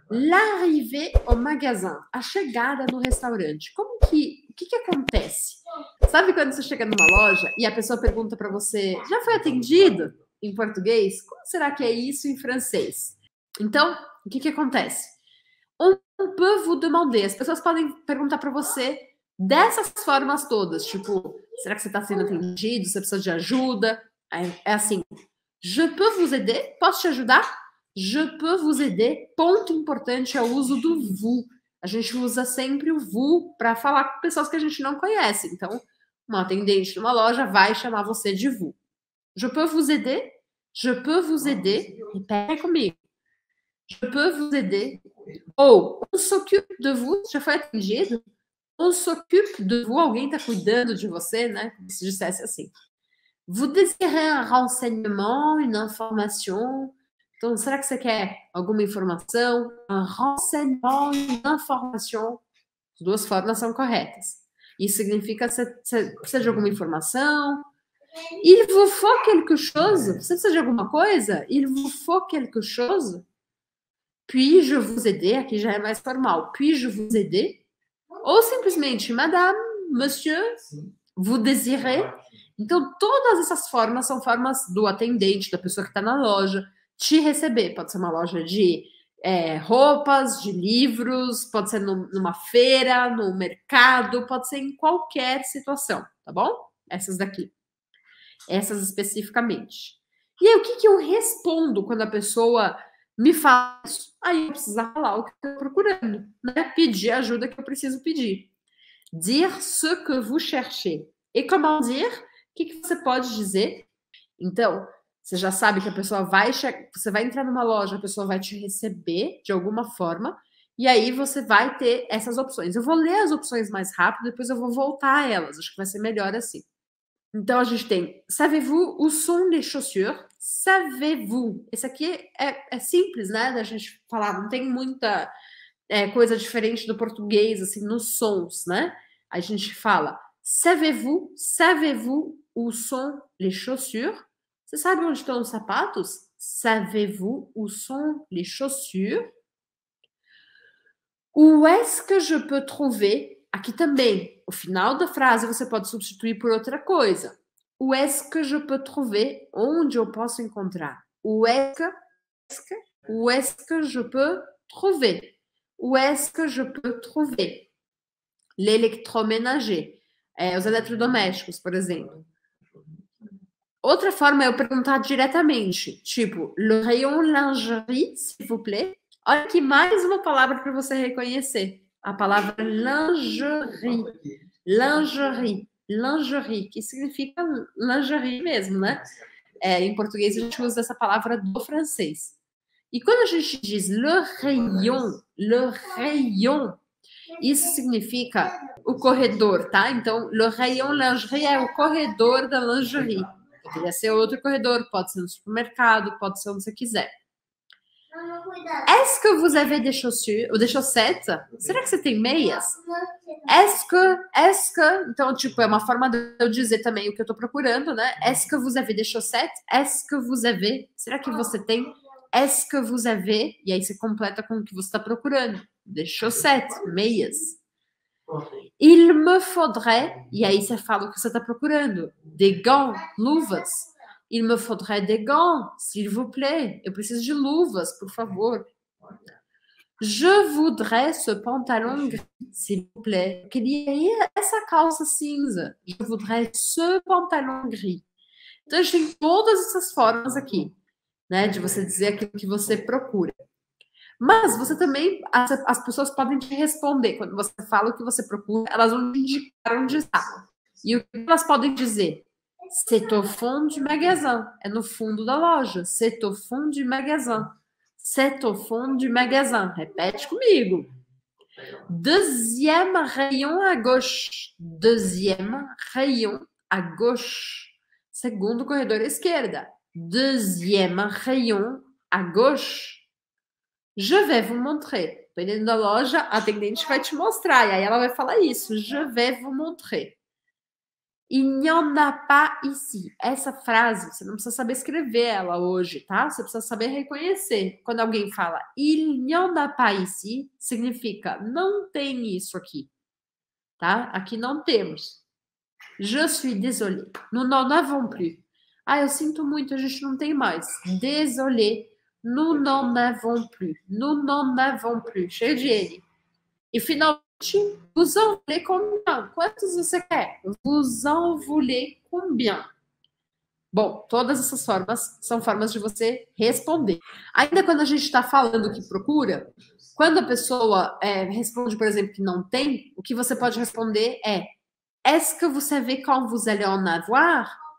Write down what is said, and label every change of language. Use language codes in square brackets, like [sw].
[fr] L'arrivée au magasin, [pt] a chegada no restaurante. Como que, o que que acontece? Sabe quando você chega numa loja e a pessoa pergunta para você, já foi atendido? Em português, como será que é isso em francês? Então, o que que acontece? [fr] On peut vous demander, [pt] as pessoas podem perguntar para você dessas formas todas, tipo, será que você está sendo atendido? Você precisa de ajuda? É assim, [fr] je peux vous aider? [pt] Posso te ajudar? [fr] Je peux vous aider? [pt] Ponto importante é o uso do vous. A gente usa sempre o vous para falar com pessoas que a gente não conhece. Então, uma atendente numa loja vai chamar você de vous. [fr] Je peux vous aider? Je peux vous aider? [pt] Repete comigo. [fr] Je peux vous aider? Ou, on s'occupe de vous? [pt] Já foi atendido? [fr] On s'occupe de vous? [pt] Alguém está cuidando de você, né? Se dissesse assim. [fr] Vous désirez un renseignement, une information? [pt] Então, será que você quer alguma informação? [fr] Un renseignement, une information? [pt] As duas formas são corretas. Isso significa que você precisa de alguma informação. [fr] Il vous faut quelque chose? [pt] Você precisa de alguma coisa? [fr] Il vous faut quelque chose? Puis-je vous aider? [pt] Aqui já é mais formal. [fr] Puis-je vous aider? [pt] Ou simplesmente, [fr] madame, monsieur, vous désirez? [pt] Então, todas essas formas são formas do atendente, da pessoa que está na loja, te receber. Pode ser uma loja de roupas, de livros, pode ser numa feira, no mercado, pode ser em qualquer situação, tá bom? Essas daqui. Essas especificamente. E aí, o que que eu respondo quando a pessoa me fala isso? Aí eu preciso falar o que eu estou procurando, né? Pedir a ajuda que eu preciso pedir. [fr] Dire ce que vous cherchez. Et comment dire? [pt] O que que você pode dizer? Então, você já sabe que a pessoa vai você vai entrar numa loja, a pessoa vai te receber de alguma forma, e aí você vai ter essas opções. Eu vou ler as opções mais rápido, depois eu vou voltar a elas. Acho que vai ser melhor assim. Então, a gente tem, [fr] savez-vous où sont les chaussures? Savez-vous? [pt] Esse aqui é simples, né, da gente falar, não tem muita coisa diferente do português, assim, nos sons, né? A gente fala, [fr] savez-vous où sont les chaussures? [pt] Você sabe onde estão os sapatos? [fr] Savez-vous où sont les chaussures? Où est-ce que je peux trouver? [pt] Aqui também, o final da frase você pode substituir por outra coisa. [fr] Où est-ce que je peux trouver? Onde eu posso encontrar? Où est-ce que je peux trouver? Où est-ce que je peux trouver? [pt] L'électroménager. Os eletrodomésticos, por exemplo. Outra forma é eu perguntar diretamente. [fr] Tipo, le rayon lingerie, s'il vous plaît. [pt] Olha aqui, mais uma palavra para você reconhecer. A palavra lingerie. Lingerie. Lingerie, que significa lingerie mesmo, né? Em português, a gente usa essa palavra do francês. E quando a gente diz [fr] le rayon, [pt] isso significa o corredor, tá? Então, [fr] le rayon lingerie [pt] é o corredor da lingerie. Poderia ser outro corredor, pode ser no supermercado, pode ser onde você quiser. [fr] Est-ce que vous avez des chaussures? Ou des chaussettes? [pt] Será que você tem meias? [fr] Est-ce que... [pt] Então, tipo, é uma forma de eu dizer também o que eu tô procurando, né? [fr] Est-ce que vous avez des chaussettes? Est-ce que vous avez... [pt] Será que você tem? [fr] Est-ce que vous avez... [pt] E aí você completa com o que você tá procurando. [fr] Des chaussettes, [pt] meias. [fr] Il me faudrait... [pt] E aí você fala o que você tá procurando. [fr] Des gants, luvas. Il me faudrait des gants, s'il vous plaît. [pt] Eu preciso de luvas, por favor. [fr] Je voudrais ce pantalon gris, s'il vous plaît. [pt] Eu queria essa calça cinza. [fr] Je voudrais ce pantalon gris. [pt] Então, a gente tem todas essas formas aqui, né, de você dizer aquilo que você procura. Mas você também, as pessoas podem te responder. Quando você fala o que você procura, elas vão te indicar onde está. E o que elas podem dizer? [fr] C'est au fond du magasin. [pt] É no fundo da loja. [fr] C'est au fond du magasin. C'est au fond du magasin. [pt] Repete comigo. [fr] Deuxième rayon à gauche. Deuxième rayon à gauche. [pt] Segundo corredor à esquerda. [fr] Deuxième rayon à gauche. Je vais vous montrer. [pt] Dependendo da loja, a atendente vai te mostrar. E aí ela vai falar isso. [fr] Je vais vous montrer. [pt] Inyonapa-isi. Essa frase, você não precisa saber escrever ela hoje, tá? Você precisa saber reconhecer. Quando alguém fala Inyonapa-isi, significa não tem isso aqui, tá? Aqui não temos. [fr] Je suis désolé. Nous n'en avons plus. [pt] Ah, eu sinto muito, a gente não tem mais. Désolé. Nous n'en avons plus. Nous n'en avons plus. Cheio de N. E finalmente, [fr] vous en voulez combien? [pt] Quantos você quer? [fr] Vous en voulez combien? [pt] Bom, todas essas formas são formas de você responder. Ainda quando a gente está falando que procura, quando a pessoa responde, por exemplo, que não tem, o que você pode responder é: [fr] Est-ce que vous savez quand vous allez en avoir?